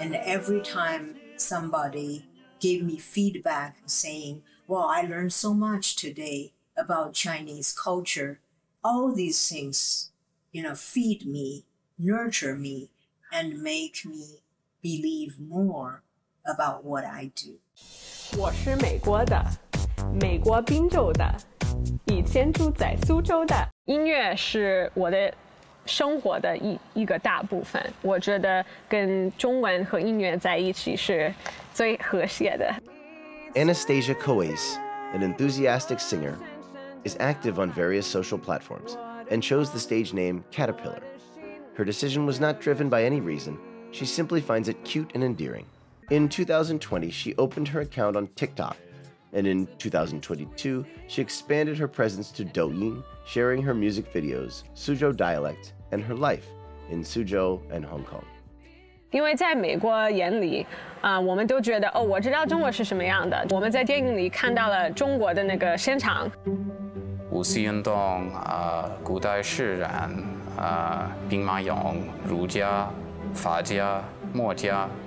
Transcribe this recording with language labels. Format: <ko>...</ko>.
<en>And every time somebody gave me feedback saying, well, I learned so much today about Chinese culture, all these things, you know, feed me, nurture me, and make me believe more about what I do.</en> <zh>我是美国的，美国宾州的，以前住在苏州的。音乐是我的生活的一个大部分，我觉得跟中文和音乐在一起是最和谐的。</zh> <en>Anastasia Coes, an enthusiastic singer, is active on various social platforms and chose the stage name Caterpillar. Her decision was not driven by any reason. She simply finds it cute and endearing. In 2020, she opened her account on TikTok, and in 2022, she expanded her presence to Douyin, sharing her music videos, Suzhou dialect, and her life in Suzhou and Hong Kong.</en> <zh>因为在美国眼里我们都觉得哦，我知道中国是什么样的，我们在电影里看到了中国的那个现场。五四运动古代诗人兵马俑、儒家、法家、墨家。</zh>